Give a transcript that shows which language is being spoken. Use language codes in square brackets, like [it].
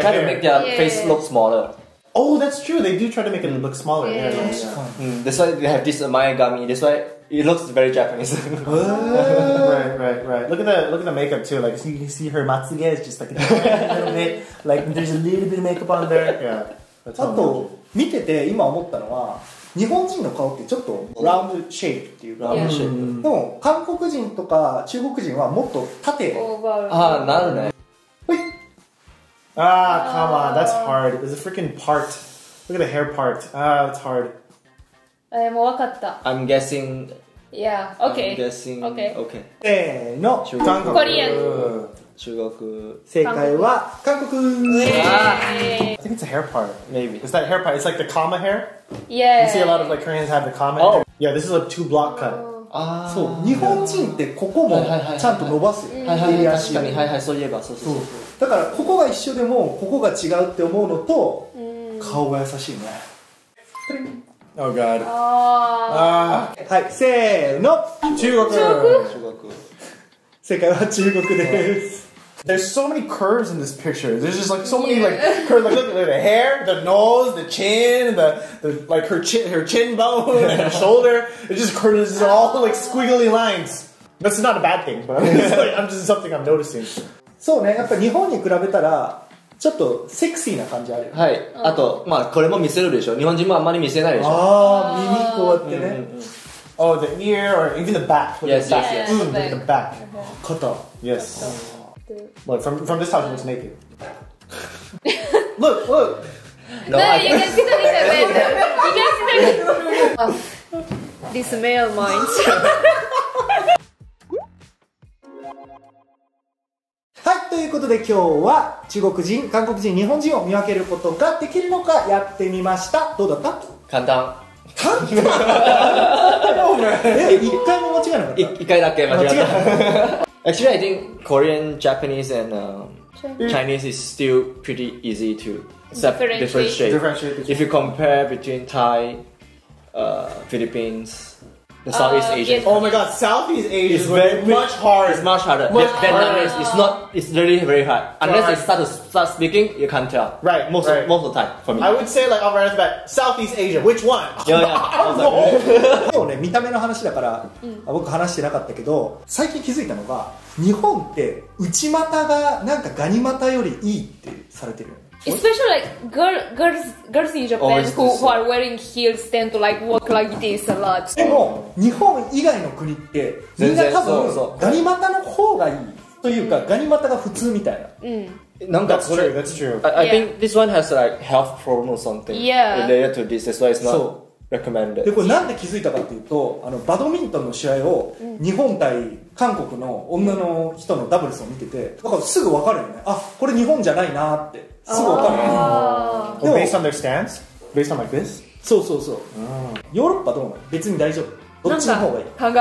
[en] They try to make their face look smaller. Oh, that's true. They do try to make it look smaller. Yeah. That's why they have this maigami. That's why... It looks very Japanese. right. Look at the makeup too. Like, you can see her matsuge is just like a little bit. Like, there's a little bit of makeup on there. Yeah. [ja] あと見てて今思ったのは、日本人の顔ってちょっとラウンドシェイプっていうラウンドシェイプ。でも韓国人とか中国人はもっと縦。ああなるね。はい。 [en] Come on, that's hard. There's a freaking part. Look at the hair part. Ah, it's hard. [ja] もう分かった。 [en] I'm guessing Yeah, okay. I'm guessing. Okay. [ja] せーの! 中国! [en] Korean! [ja] 中国! 正解は 韓国! [en] I think it's a hair part. Maybe. It's that hair part. It's like the comma hair. Yeah. You see a lot of like Koreans have the comma hair. Yeah, this is a two block cut. [ja] そう、日本人ってここもちゃんと伸ばすよ。はいはいはい、確かに、はいはい、そういえばそう。だからここが一緒でもここが違うって思うのと、顔が優しいね。 [en] Oh God。 [ja] はい、せーの、中国。正解は中国です。 [en] There's so many curves in this picture. There's just like so many like curves. Like look at the hair, the nose, the chin, the like her chin bone, and her shoulder. It just curves. It's all like squiggly lines. That's not a bad thing, but I'm just something I'm noticing. [ja] そうね、やっぱ日本に比べたらちょっとセクシーな感じある。はい。あとまあこれも見せるでしょ。日本人もあんまり見せないでしょ。ああ、耳こうやってね。 [en] Oh, the ear or even the back. Yes, yes, yes. The back. [ja] 肩。 [en] Yes. Look, from this house, it's naked. look! No, you can see the little bit. You can see the little bit. This male mind. [ja] はい、ということで今日は中国人、韓国人、日本人を見分けることができるのかやってみました。どうだった？簡単。簡単？一回も間違えなかった。一回だけ間違えた。 [en] Actually, I think Korean, Japanese, and Chinese is still pretty easy to differentiate. If you compare between Thai, Philippines, the Southeast Asian. Oh my god, Southeast Asian is very, much harder. It's much harder. Vietnamese, it's really very hard. Unless they start speaking, you can't tell. Right, most of the time for me. I would say like on right off the bat, Southeast Asian, which one? Yeah, yeah. [ja] 今日ね、見た目の話だから、僕話してなかったけど、最近気づいたのが、日本って内股がなんかガニ股よりいいってされてる。 [en] Especially like girls in Japan who are wearing heels tend to like walk like this a lot. [ja] でも日本以外の国ってみんな多分ガニ股の方がいいというか、ガニ股が普通みたいな。なんかそれ [en] That's true. I think this one has like health problem or something related to this. That's why it's not recommended. [ja] でこれなんで気づいたかっていうと、あのバドミントンの試合を日本対韓国の女の人のダブルスを見てて、だからすぐ分かるよね。あ、これ日本じゃないなって。すごい分かる。 [en] Based on their stance? Based on like this? [ja] そうそうそう。ヨーロッパどうなの？別に大丈夫。どっちの方がいい？